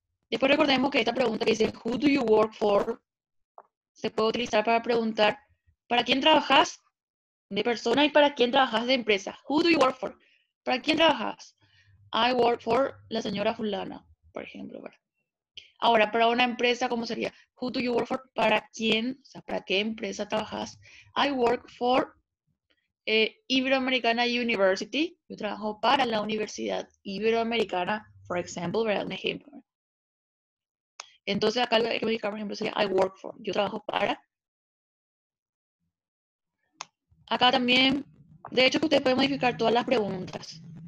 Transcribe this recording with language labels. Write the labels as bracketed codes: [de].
[es] Después recordemos que esta pregunta que dice [en] Who do you work for? [es] Se puede utilizar para preguntar ¿Para quién trabajas de persona y para quién trabajas de empresa? [en] Who do you work for? [es] ¿Para quién trabajas? [en] I work for [es] la señora fulana, por ejemplo. Ahora, para una empresa, ¿cómo sería? [en] Who do you work for? [es] ¿Para quién? O sea, ¿para qué empresa trabajas? [en] I work for Iberoamericana University. [es] Yo trabajo para la Universidad Iberoamericana, [en] for example, [es] ¿verdad? Un ejemplo. Entonces, acá lo que me dedicaba, por ejemplo, sería [en] I work for. [es] Yo trabajo para. Acá también, de hecho, que ustedes pueden modificar todas las preguntas.